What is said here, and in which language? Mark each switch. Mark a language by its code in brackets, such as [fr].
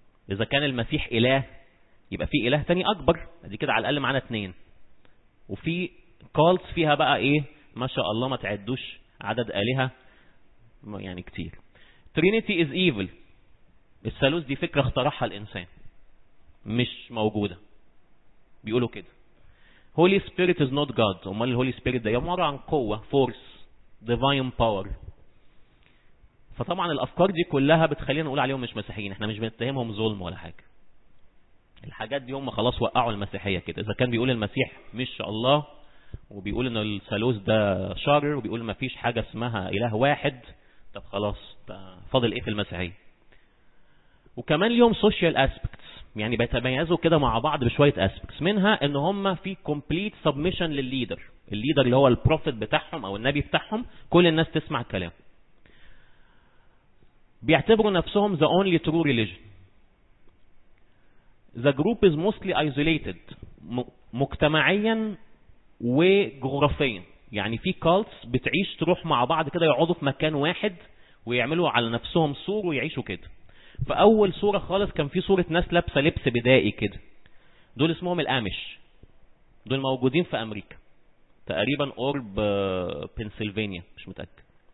[ar] إذا كان المسيح إله يبقى في إله تاني أكبر، دي كده على الأقل معنا اتنين. وفي كالتس فيها بقى إيه ما شاء الله ما تعدوش عدد آلهة يعني كتير. [en] Trinity is evil، [ar] الثالوث دي فكرة اخترعها الإنسان مش موجودة، بيقولوا كده. [en] Holy Spirit is not God، [ar] أمال الهولي سبيريت ده يمر عن قوة [en] force divine power. [ar] فطبعا الافكار دي كلها بتخلينا نقول عليهم مش مسيحيين، احنا مش بنتهمهم ظلم ولا حاجة، الحاجات دي هم خلاص وقعوا المسيحية كده. اذا كان بيقول المسيح مش الله وبيقول ان الثالوث ده شر وبيقول ما فيش حاجة اسمها اله واحد، طب خلاص فاضل ايه في المسيحية. وكمان ليهم [en] social aspects، [ar] يعني بيتميزوا كده مع بعض بشوية aspects، منها ان هم في [en] complete submission [ar] للليدر، الليدر اللي هو البروفيت بتاعهم او النبي بتاعهم، كل الناس تسمع الكلام. بيعتبروا نفسهم [en] the only true religion. The group is mostly isolated [ar] مجتمعيا وجغرافيا، يعني في cults بتعيش تروح مع بعض كده، يقعدوا في مكان واحد ويعملوا على نفسهم سور ويعيشوا كده. فأول صورة خالص كان في صورة ناس لابسة لبس بدائي كده، دول اسمهم الأمش، دول موجودين في أمريكا تقريبا قرب بنسلفانيا مش متأكد.